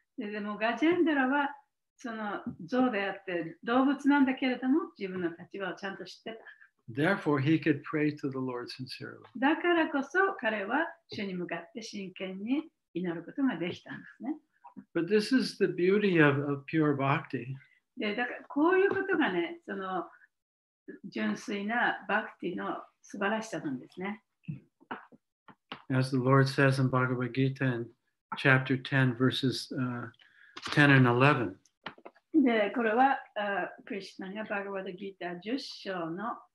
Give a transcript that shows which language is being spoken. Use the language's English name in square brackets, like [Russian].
[Japanese] でもガジェンドラはその象であって動物なんだけれども自分の立場をちゃんと知ってた。 [English] Therefore, he could pray to the Lord sincerely. [Japanese] だからこそ彼は主に向かって真剣に祈ることができたんですね。 [English] But this is the beauty of pure bhakti. [Japanese] でだからこういうことがね、その純粋なバクティの素晴らしさなんですね。 [English] As the Lord says in Bhagavad Gita in chapter 10, verses 10 and 11. [Japanese] で、これは、クリシュナがバガヴァッド・ギータ10章の